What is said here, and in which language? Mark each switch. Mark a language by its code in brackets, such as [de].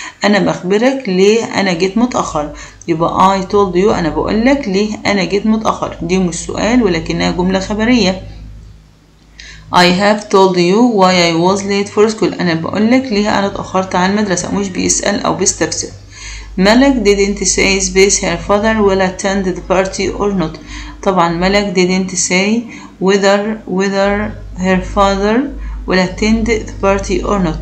[ar] أنا بخبرك ليه أنا جيت متأخر. يبقى [en] I told you [ar] أنا بقولك ليه أنا جيت متأخر. دي مش سؤال ولكنها جملة خبرية. [en] I have told you why I was late for school. [ar] أنا بقولك ليه أنا اتأخرت عن المدرسة. مش بيسأل أو بيستفسر. [en] ملك didn't say space her father will attend the party or not. طبعا ملك didn't say whether her father will attend the party or not.